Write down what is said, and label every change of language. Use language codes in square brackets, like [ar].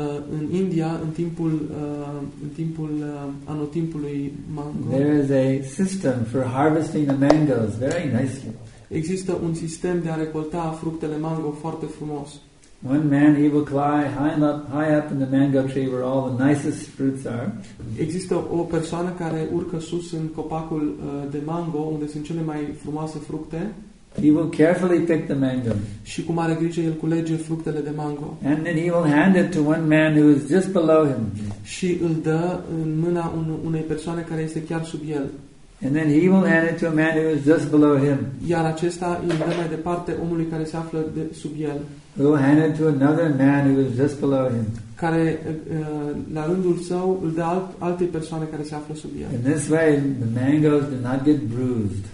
[ro] În India, în timpul anotimpului mango. [en] There is a system for harvesting the mangoes very nicely. [ro] Există un sistem de a recolta fructele mango foarte frumos. [en] One man he will climb high up in the mango tree where all the nicest fruits are. [ro] Există o persoană care urcă sus în copacul de mango unde sunt cele mai frumoase fructe. [en] He will carefully pick the mango. [ro] Și cu mare grijă el culege fructele de mango. [en] And then he will hand it to one man who is just below him. [ro] Și îl dă în mâna unei persoane care este chiar sub el. [en] And then he will hand it to a man who is just below him. [ro] Iar acesta îl dă mai departe omului care se află sub el. [en] He will hand it to another man who is just below him. [ro] Care la rândul său îl dă altei persoane care se află sub el. [en] In this way, the mangoes do not get bruised.